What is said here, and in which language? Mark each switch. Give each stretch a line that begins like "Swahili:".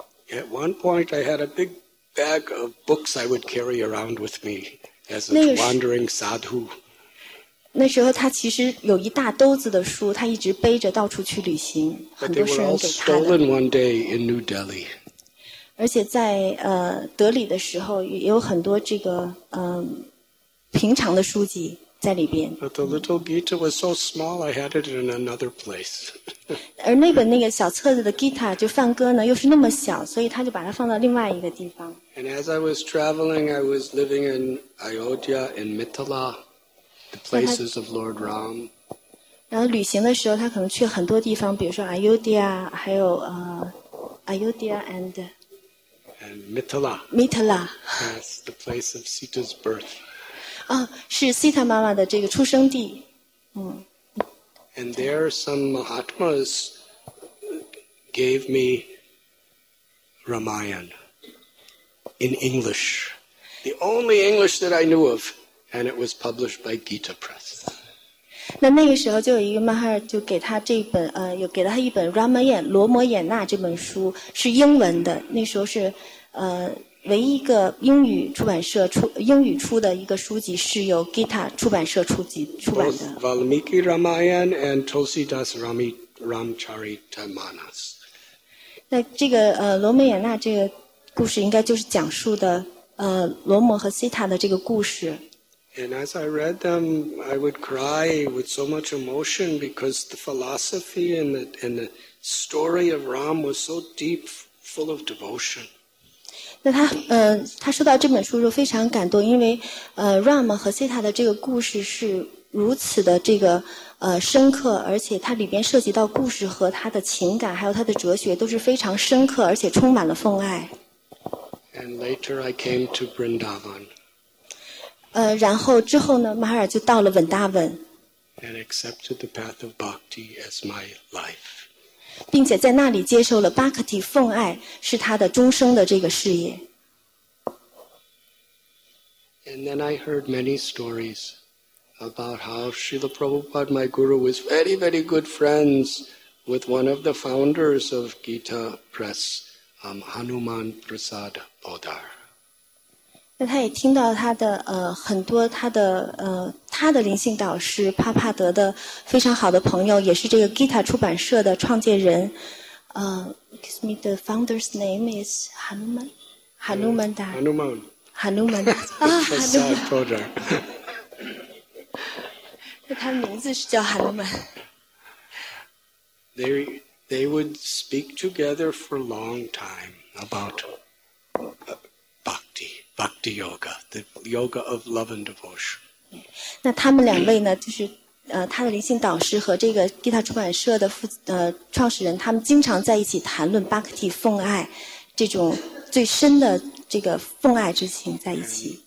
English: At one point, I had a big. Bag of books I would carry around with me as a wandering sadhu.
Chinese: 那时候他其实有一大兜子的书，他一直背着到处去旅行，很多书给他的。
English: But they were all stolen one day in New Delhi.
Chinese: 而且在德里的时候，也有很多这个平常的书籍在里边。
English: But the little Gita was so small, I had it in another place.
Chinese: 而那本那个小册子的 Gita 就梵歌呢，又是那么小，所以他就把它放到另外一个地方。
English: And as I was traveling, I was living in Ayodhya in Mithila, the places of Lord Ram.
Chinese: 然后旅行的时候，他可能去很多地方，比如说 Ayodhya， 还有
English: Ayodhya and Mithila. Mithila. That's the place of Sita's birth.
Chinese: 啊，是 Sita 妈妈的这个出生地。嗯。
English: And there are some Mahatmas gave me Ramayana in English, the only English that I knew of, and it was published by Gita Press.
Chinese: 那个时候就有一个 Maharaj 就给他这本有给了他一本 Ramayana 罗摩衍那这本书是英文的，那时候是唯一一个英语出版社出英语出的一个书籍是由 Gita 出版社出版的。
English: Both Valmiki Ramayana and Tulsidas Ramcharitamanas.
Chinese: 那这个罗摩衍那这个故事应该就是讲述的罗摩和 Sita 的这个故事。
English: And as I read them, I would cry with so much emotion because the philosophy and the story of Ram was so deep, full of devotion.
Chinese: 那他说到这本书就非常感动，因为Ram 和 Sita 的这个故事是如此的这个深刻，而且它里边涉及到故事和他的情感，还有他的哲学都是非常深刻，而且充满了风爱。
English: And later I came to Vrindavan.
Chinese: 然后之后呢，马尔就到了稳达文。
English: And accepted the path of bhakti as my life.
Chinese: 并且在那里接受了 bhakti 奉爱是他的终生的这个事业。
English: And then I heard many stories about how Srila Prabhupada, my guru, was very, very good friends with one of the founders of Gita Press, Hanuman Prasad Bodhar.
Chinese: 那他也听到他的很多他的他的灵性导师帕帕德的非常好的朋友，也是这个 Gita 出版社的创建人。
English: Excuse me, the founder's name is Hanuman. Hanuman Das. Hanuman. Hanuman. Prasad Bodhar.
Chinese: 那他的名字是叫 Hanuman。
English: They would speak together for a long time about bhakti, bhakti yoga, the yoga of love and devotion.
Chinese: 那他们两位呢，就是他的灵性导师和这个 Gita 出版社的创始人，他们经常在一起谈论 bhakti 奉爱，这种最深的这个奉爱之情在一起。